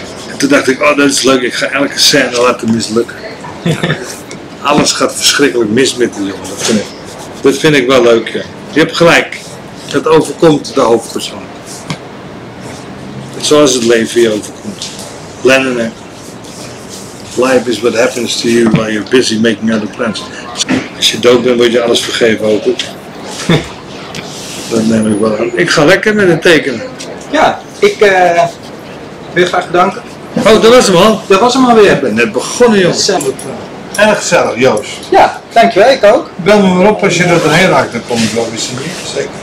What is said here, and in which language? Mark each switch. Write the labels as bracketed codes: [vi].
[nl] En toen dacht ik, oh dat is leuk, ik ga elke scène laten mislukken. Alles gaat verschrikkelijk mis met die jongen, dat vind ik wel leuk. Ja. Je hebt gelijk, dat overkomt de hoofdpersoon. Zoals het leven je overkomt. [en] Lennon, life is what happens to you while you're busy making other plans. [nl] Als je dood bent, word je alles vergeven, hoop ik. Dat neem ik wel aan. Ik ga lekker met het tekenen. Ja, ik wil je graag bedanken. Oh, dat was hem al. Dat was hem alweer. Ik ben net begonnen, joh. Erg gezellig, Joost. Ja, dankjewel, ik ook. Bel me maar op als je er doorheen raakt, dan kom ik wel weer zien. Zeker.